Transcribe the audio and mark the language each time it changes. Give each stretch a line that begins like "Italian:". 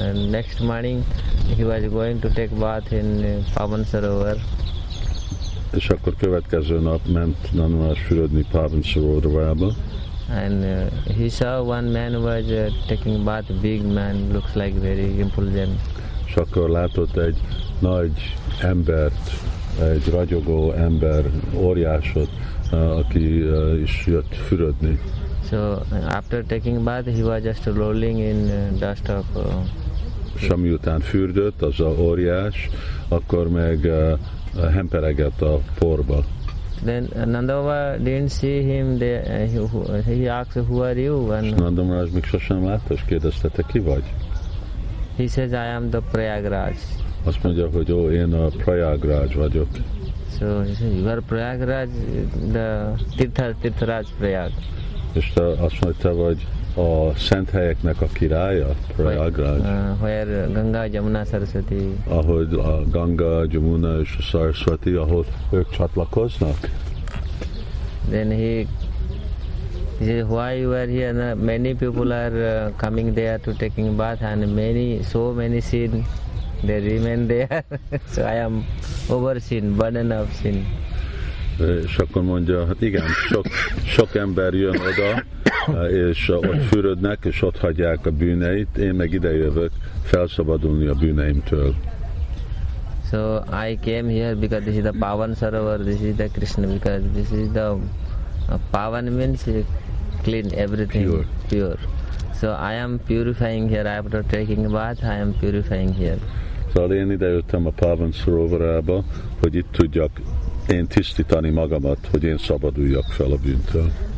English: Next morning, he was going to take bath in Pavan Sarovar.
Hungarian: És akkor következő nap ment Nanumás füredni Pavan Sarovarába.
English: And he saw one man was taking bath, big man, looks like very impulsive.
Hungarian: És akkor látott egy nagy embert, egy ragyogó ember, óriásot, aki is jött fürödni.
English: So after taking bath, he was just rolling in dust of...
Hungarian: És amiután fürdött, az a óriás, akkor meg hemperegett a porba.
English: Then Nanda Baba didn't see him. He asked, "Who are you?"
Hungarian: And Nanda Maharaj, még sosem látta, és kérdezte, te ki vagy?
English: He says, "I am the Prayagraj."
Hungarian: Azt mondja, hogy ó, én a Prayagraj vagyok.
English: So you are Prayagraj, the Tirtharaj Prayag.
Hungarian: És te azt mondod, te vagy a szent helyeknek a királya, Prayagraj.
English: Where Ganga, Jamuna, Saraswati.
Hungarian: Ahol a Ganga, Jamuna és a Saraswati, ahol ők csatlakoznak.
English: Then he says, why you are here? Na, many people are coming there to taking bath and many, so many sin. They remain there. So I am overseen, burden of sin.
Hungarian: És akkor mondja, hát igen, sok ember jön oda, és ott fürödnek, és ott hagyják a bűneit, én meg ide jövök felszabadulni a bűneimtől.
English: So I came here because this is the Pavan Sarovar, this is the Krishna, because this is the Pavan means clean everything, pure. So I am purifying here, after taking bath, I am purifying here.
Hungarian: Szóval én ide jöttem a Pavan Sarovarába, hogy itt tudjak én tisztítani magamat, hogy én szabaduljak fel a bűntől.